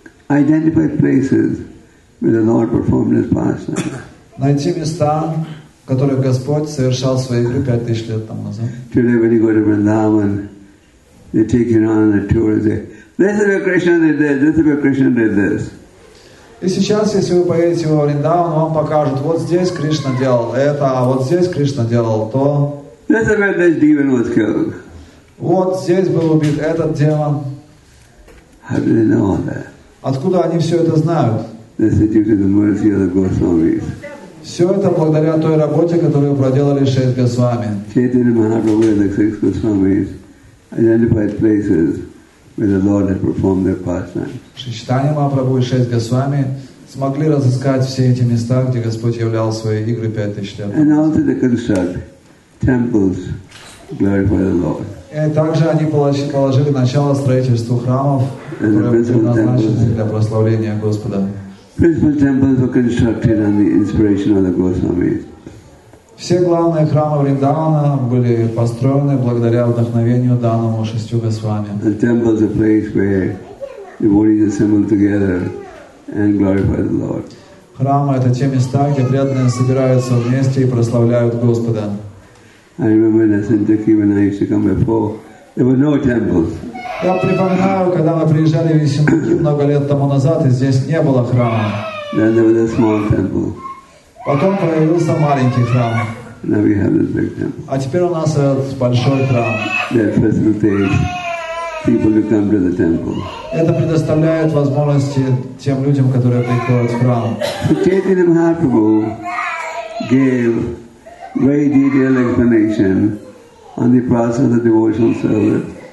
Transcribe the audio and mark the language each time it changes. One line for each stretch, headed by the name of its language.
English: Identify places where the Lord performed his pastime.
Russian: Найти места, который Господь совершал в своей игре 5000 лет тому назад.
English: Today when you go to Vrindavan, they're taking on a tour and say, this is where Krishna did this, this is where Krishna did this.
Russian: И сейчас, если вы поедете во Вриндаван, вам покажут, вот здесь Кришна делал это, а вот здесь Кришна делал то.
English: This is where this demon was killed.
Russian: Вот здесь был убит этот демон.
English: How do they know all that?
Russian: Откуда они все это знают?
English: This is due to the mercy of the Goswamis.
Russian: Все это благодаря той работе, которую проделали шесть Госвами.
English: Chaitanya Mahaprabhu and the six Goswamis identified places where the Lord had performed their pastimes.
Russian: Шри Чайтанья Махапрабху и шесть Госвами смогли разыскать все эти места, где Господь являл свои игры 5000 лет.
English: And also they construct temples glorify the Lord.
Russian: И также они положили начало строительству храмов, которые предназначены для прославления Господа.
English: Principal temples were constructed on the inspiration of the Goswamis.
Russian: Все главные храмы Вриндавана были построены благодаря вдохновению данному шестью Госвами.
English: The temple is a place where devotees assemble together and glorify the Lord.
Russian: Храмы — это те места, где преданные собираются вместе и прославляют Господа.
English: I remember in Asindaki when I used to come before, there were no temples.
Russian: Я припоминаю, когда мы приезжали в Исиндхи много лет тому назад, и здесь не было храма.
English: Then there was a small temple.
Russian: Потом появился маленький храм.
English: Now we have this big temple.
Russian: А теперь у нас этот большой храм.
English: That facilitates people to come to the temple.
Russian: Это предоставляет возможности тем людям, которые приходят в храм.
English: So Chaitanya Mahaprabhu gave very detailed explanation on the process of the devotional service.